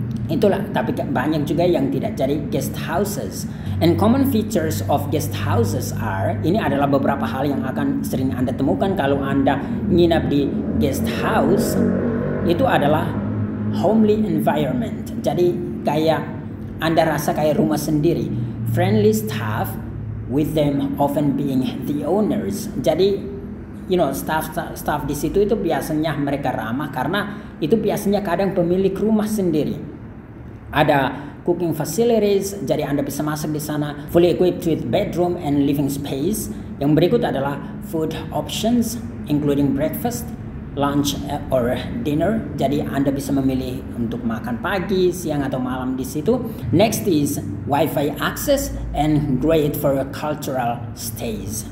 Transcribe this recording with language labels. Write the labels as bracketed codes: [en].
[id] Itulah, tapi banyak juga yang tidak. Jadi guest houses. [en] And common features of guest houses are, [id] ini adalah beberapa hal yang akan sering Anda temukan kalau Anda nginap di guest house. Itu adalah [en] homely environment. [id] Jadi kayak Anda rasa kayak rumah sendiri. [en] Friendly staff, with them often being the owners. [id] Jadi [en] you know, [id] staff di situ itu biasanya mereka ramah karena itu biasanya kadang pemilik rumah sendiri. Ada [en] cooking facilities, [id] jadi Anda bisa masak di sana. [en] Fully equipped with bedroom and living space. [id] Yang berikut adalah [en] food options, including breakfast, lunch or dinner. [id] Jadi Anda bisa memilih untuk makan pagi, siang atau malam di situ. [en] Next is Wi-Fi access and great for cultural stays.